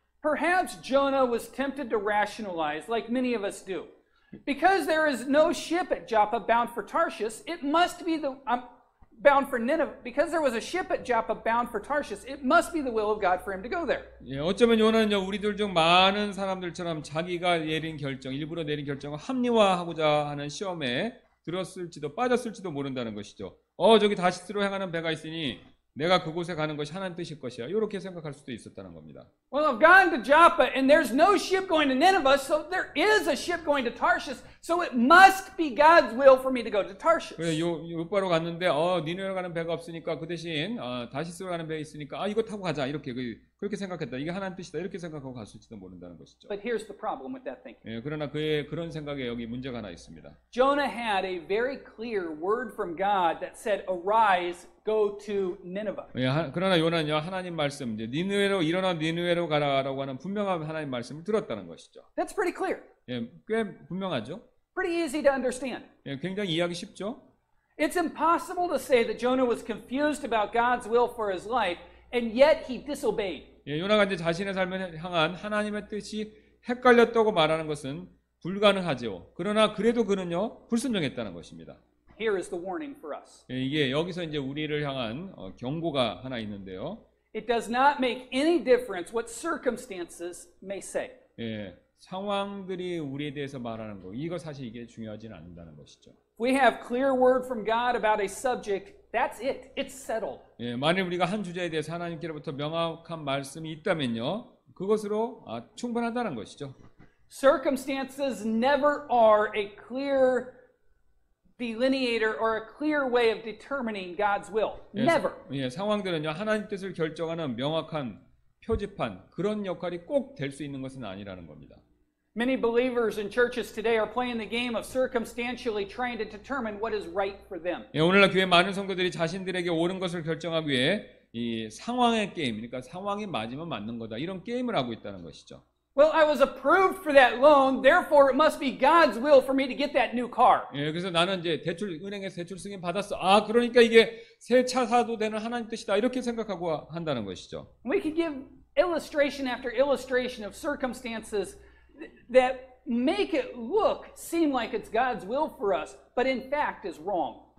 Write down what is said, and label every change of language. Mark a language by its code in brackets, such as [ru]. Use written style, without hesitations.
[en] Perhaps Jonah was tempted to rationalize, like many of us do. Because there is no ship at Joppa bound for Tarshish, it must be the... bound for Nineveh because there was a ship at Joppa bound for Tarshish it must be the will of God for him to go there. [ko] 예, 어쩌면 요나는요 우리들 중 많은 사람들처럼 자기가 내린 결정, 일부러 내린 결정을 합리화하고자 하는 시험에 들었을지도 빠졌을지도 모른다는 것이죠. 저기 다시스로 향하는 배가 있으니 내가 그곳에 가는 것이 하나님 뜻일 것이야. 이렇게 생각할 수도 있었다는 겁니다. [en] Well, I've gone to Joppa and there's no ship going to Nineveh, so there is a ship going to Tarshish, so it must be God's will for me to go to Tarshish. [ko] 그래, 요바로 갔는데 니느웨로 가는 배가 없으니까 그 대신 다시스로 가는 배 있으니까 이거 타고 가자 이렇게 그렇게 생각했다. 이게 하나님 뜻이다 이렇게 생각하고 갔을지도 모른다는 것이죠. [en] But here's the problem with that thinking. [ko] 예, 그러나 그런 생각에 여기 문제가 하나 있습니다. [en] Jonah had a very clear word from God that said, "Arise, go to Nineveh." [ko] 예, 그러나 요나는요 하나님 말씀 이제 니느웨로 일어나 니느웨로 가라라고 하는 분명한 하나님 말씀을 들었다는 것이죠. [en] That's pretty clear. [ko] 예, 꽤 분명하죠. [en] Pretty easy to understand. [ko] 예, 굉장히 이해하기 쉽죠. [en] It's impossible to say that Jonah was confused about God's will for his life. And yet he disobeyed. [ko] 예, 요나가 이제 자신의 삶을 향한 하나님의 뜻이 헷갈렸다고 말하는 것은 불가능하죠. 그러나 그래도 그는요 불순종했다는 것입니다. [en] Here is the warning for us. [ko] 예, 이게 여기서 이제 우리를 향한 경고가 하나 있는데요. [en] It does not make any difference what circumstances may say. [ko] 예, 상황들이 우리에 대해서 말하는 거 이거 사실 이게 중요하지는 않는다는 것이죠. [en] We have clear word from God about a subject. That's it. It's settled. [ko] 예, 만일 우리가 한 주제에 대해서 하나님께로부터 명확한 말씀이 있다면요. 그것으로 충분하다는 것이죠. [en] Circumstances never are a clear delineator or a clear way of determining God's will. Never. [ko] 예, 상황들은요. 하나님 뜻을 결정하는 명확한 표지판 그런 역할이 꼭 될 수 있는 것은 아니라는 겁니다. [en] Many believers in churches today are playing the game of circumstantially trying to determine what is right for them. [ko] 예, 오늘날 교회 많은 성도들이 자신들에게 옳은 것을 결정하기 위해 이 상황의 게임, 그러니까 상황이 맞으면 맞는 거다 이런 게임을 하고 있다는 것이죠. [en] Well, I was approved for that loan, therefore it must be God's will for me to get that new car. [ko] 예, 그래서 나는 이제 대출 은행에서 대출 승인 받았어. 그러니까 이게 새 차 사도 되는 하나님 뜻이다 이렇게 생각하고 한다는 것이죠. [en] We can give illustration after illustration of circumstances. That make it look seem like it's God's will for us, but in fact is wrong.